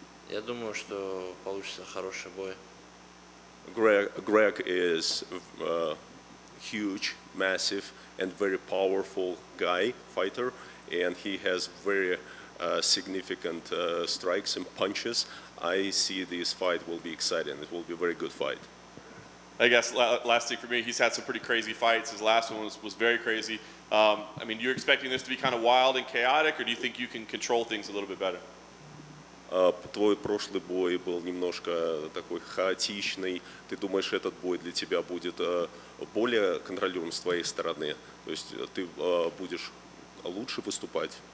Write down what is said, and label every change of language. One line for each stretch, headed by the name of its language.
Russian: Я думаю, что получится хороший бой.
English: Greg is huge, massive, and very powerful guy, fighter, and he has very significant strikes and punches. I see this fight will be exciting. It will be a very good fight. I guess last thing for me, he's had some pretty crazy fights. His last one was very crazy. I mean, you're expecting this to be kind of wild and chaotic, or do you think you can control things a little bit better?
Russian: Твой прошлый бой был немножко такой хаотичный. Ты думаешь, этот бой для тебя будет более контролируем с твоей стороны? То есть ты будешь лучше выступать?